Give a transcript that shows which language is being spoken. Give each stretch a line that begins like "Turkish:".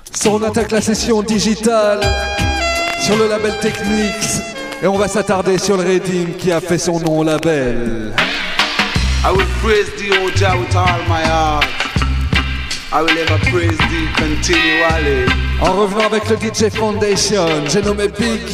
French: On attaque la session digitale sur le label Technics et on va s'attarder sur le Redim qui a fait son nom label.
English: I will praise thee, O Jah, with all my heart. I will ever praise thee continually.
French: En revenant avec le DJ Foundation, j'ai nommé Big